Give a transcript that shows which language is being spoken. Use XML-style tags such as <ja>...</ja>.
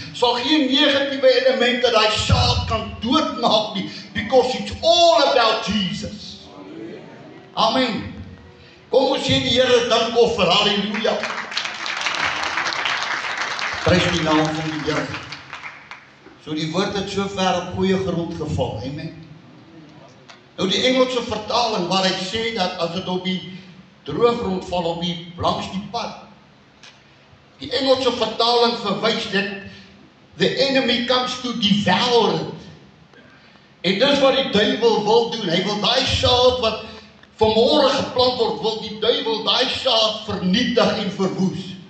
<af>Sal geen negatiewe elemente daai saad kan doodmaak nie,</af> <en>because it's all about Jesus.</en> <af>Amen. Kom ons sê die Here dank of vir, halleluja. Prys die naam van die Here. So die woord het so ver op goeie grond geval. Amen. Nou die Engelse vertaling waar hy sê dat as het op die droë grond val, op die langs die pad. Die Engelse vertaling verwys dit,</af> <en>the enemy comes to devour it.</en> <af>En dis wat die duivel wil doen. Hy wil daai saad wat vanmôre geplant word, wil die duivel daai saad vernietig en verwoes.</af>